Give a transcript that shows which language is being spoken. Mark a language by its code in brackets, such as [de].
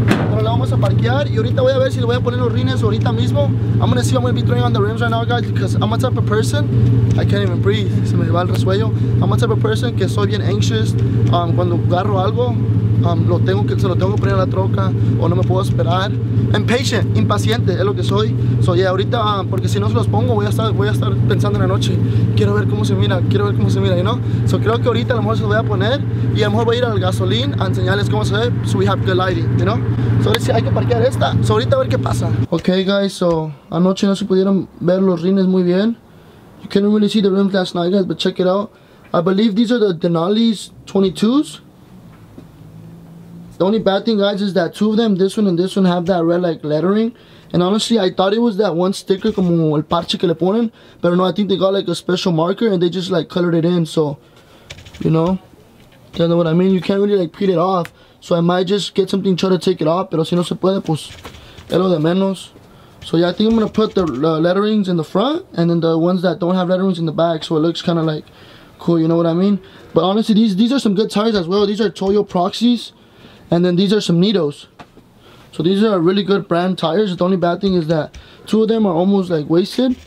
[es] Ahora la vamos a parquear y ahorita voy a ver si le voy a poner los rines ahorita mismo. [en] I'm gonna see if I'm gonna be throwing on the rims right now, guys, because I'm a type of person, I can't even breathe, se me va el resuello. [es] I'm a type of person que soy bien anxious, cuando agarro algo, se lo tengo que poner a la troca o no me puedo esperar. Impatient, impaciente es lo que soy. So yeah, ahorita, porque si no se los pongo, voy a estar pensando en la noche. Quiero ver cómo se mira, you know? So creo que ahorita a lo mejor se lo voy a poner y a lo mejor voy a ir al gasolín a enseñarles cómo se ve, so we have good lighting, you know? So let's see, hay que parquear esta. So ahorita a ver qué pasa. Okay, guys, so anoche no se pudieron ver los rines muy bien. [en] You couldn't really see the rims last night, guys, but check it out. I believe these are the Denali's 22s. The only bad thing, guys, is that two of them, this one and this one, have that red, like, lettering. And honestly, I thought it was that one sticker, como el parche que le ponen. But no, I think they got, like, a special marker, and they just, like, colored it in. So, you know, you know what I mean? You can't really, like, peel it off. So I might just get something, try to take it off. [es] Pero si no se puede, pues, es lo de menos. [en] So, yeah, I think I'm going to put the letterings in the front, and then the ones that don't have letterings in the back, so it looks kind of, like, cool, you know what I mean? But honestly, these are some good tires as well. These are Toyo Proxies. And then these are some Nitos. So these are really good brand tires. The only bad thing is that two of them are almost like wasted.